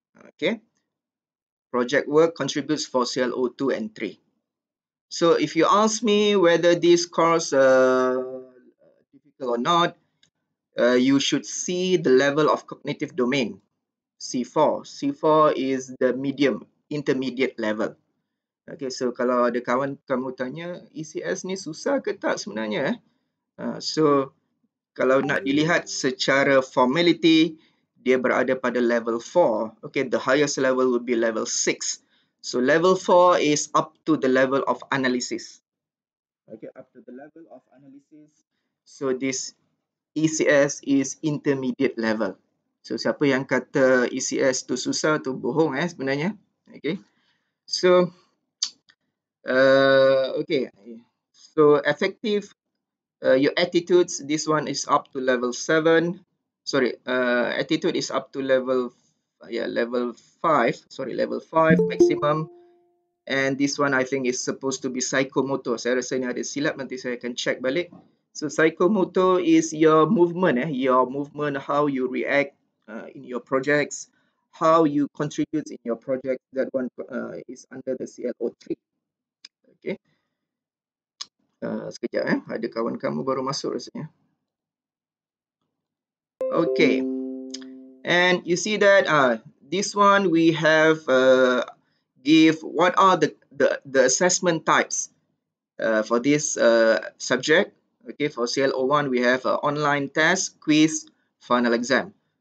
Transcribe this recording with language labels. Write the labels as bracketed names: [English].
[English] Okay, project work contributes for CLO 2 and 3. So if you ask me whether this course difficult or not, you should see the level of cognitive domain, C4. C4 is the medium, intermediate level. [Malay] Okay, so kalau ada kawan kamu tanya, ECS ni susah ke tak sebenarnya? So kalau nak dilihat secara formality, dia berada pada level 4. [English] Okay, the highest level would be level 6. So level 4 is up to the level of analysis. Okay, up to the level of analysis. So this ECS is intermediate level. [Malay] So siapa yang kata ECS tu susah tu bohong eh sebenarnya. [English] Okay. So okay. So effective your attitudes, this one is up to level 7. Sorry, attitude is up to level level 5. Sorry, level 5 maximum. And this one I think is supposed to be psychomotor. [Malay] Saya rasa ni ada silap, nanti saya akan check balik. [English] So psychomotor is your movement, your movement, how you react in your projects, how you contribute in your project. That one is under the CLO3. Okay. [Malay] Sekejap ada kawan kamu baru masuk rasanya. [English] Okay. And you see that this one we have give what are the assessment types for this subject. Okay, for CLO1 we have online test, quiz, final exam.